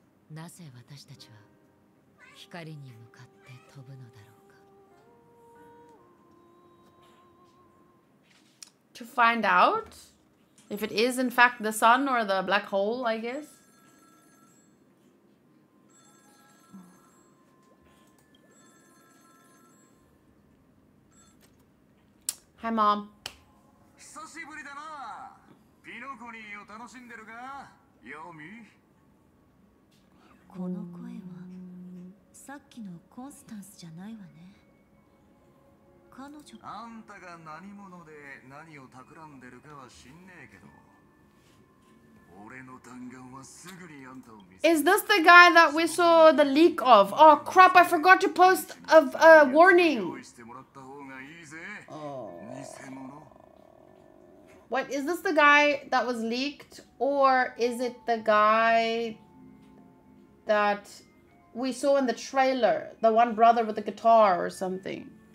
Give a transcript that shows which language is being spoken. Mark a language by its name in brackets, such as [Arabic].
[Japanese] なぜ私たちは光に向かって飛ぶのだろうか。 [English] To find out if it is in fact the sun or the black hole, I guess. Hi, mom. [Japanese] 久しぶりだな。ピノコニーを楽しんでるか、ヨミ。この声はさっきのコンスタンスじゃないわね。彼女、あんたが何者で何を企んでるかは知んねえけど、俺の弾丸はすぐにあんたを見せる。 [English] Is this the guy that we saw the leak of? Oh crap, I forgot to post of a warning. [Japanese] 用意してもらった方がいいぜ、偽物。 [English] What, is this the guy that was leaked? Or is it the guythat we saw in the trailer, the one brother with the guitar or something.